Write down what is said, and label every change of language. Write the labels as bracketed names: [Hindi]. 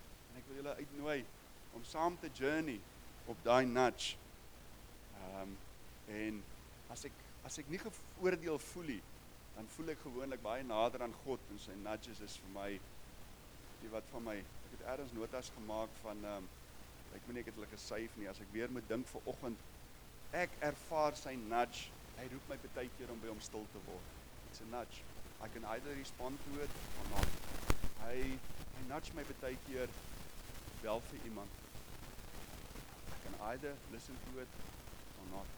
[Afrikaans] En ek wil julle uitnooi om saam te journey op daai nudge. En as ek nie geoordeel voel nie, dan voel ek gewoonlik baie nader aan God en sy nudges is vir my die wat van my. Ek het ergens notas gemaak van ek moet nie ek het hulle gesyf nie as ek weer moet dink vir oggend ek ervaar sy nudge. Hy roep my baie keer om by hom stil te word. [English] It's a nudge. I can either respond to it or not. [Afrikaans] Hy nudge my baie keer wel vir iemand. [English] I can either listen to it or not.